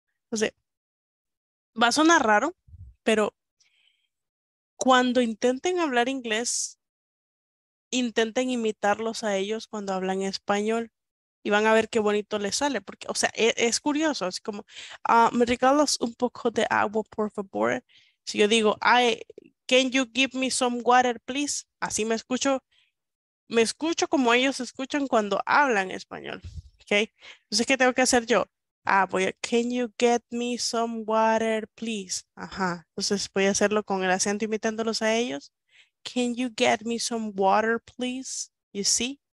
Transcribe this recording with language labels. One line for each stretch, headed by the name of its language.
Spanish: O sea, va a sonar raro, pero cuando intenten hablar inglés, intenten imitarlos a ellos cuando hablan español y van a ver qué bonito les sale. Porque, o sea, es curioso. Es como, ¿me regalas un poco de agua, por favor?
English: Si yo digo, can you give me some water, please?
Spanish: Así me escucho como ellos escuchan cuando hablan español. ¿Okay? Entonces, ¿qué tengo que hacer yo?
English: Can you get me some water, please?
Spanish: Ajá. Entonces, voy a hacerlo con el acento imitándolos a ellos.
English: Can you get me some water, please? You see?